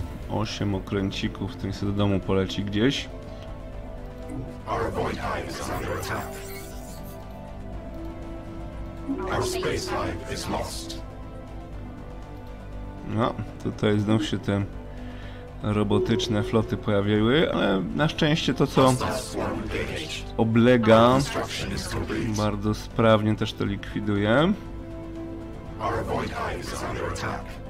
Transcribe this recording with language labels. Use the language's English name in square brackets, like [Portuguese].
[Polish] Osiem okręcików, w tym się do domu poleci gdzieś. [English] Our void hive is under attack. Our space hive is lost. [Polish] No, tutaj znów się te robotyczne floty pojawiły, ale na szczęście to, co oblega, bardzo sprawnie też to likwiduje. [English] Our void hive is under attack.